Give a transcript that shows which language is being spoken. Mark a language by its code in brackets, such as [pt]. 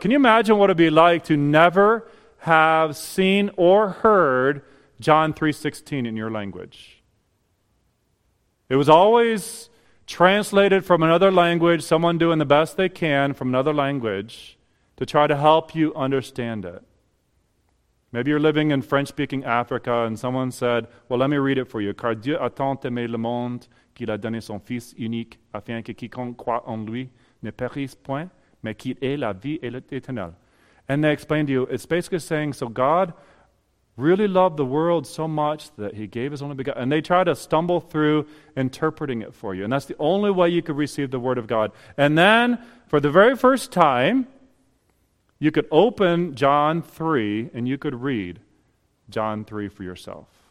[en] Can you imagine what it'd be like to never have seen or heard John 3:16 in your language? It was always translated from another language, someone doing the best they can from another language to try to help you understand it. Maybe you're living in French-speaking Africa and someone said, well, let me read it for you. [fr] Car Dieu a tant aimé le monde qu'il a donné son fils unique afin que quiconque croit en lui ne périsse point, mais qu'il ait la vie et l'éternel. [en] And they explained to you, it's basically saying, so God really loved the world so much that he gave his only begotten. And they try to stumble through interpreting it for you. And that's the only way you could receive the Word of God. And then, for the very first time, you could open John 3 and you could read John 3 for yourself.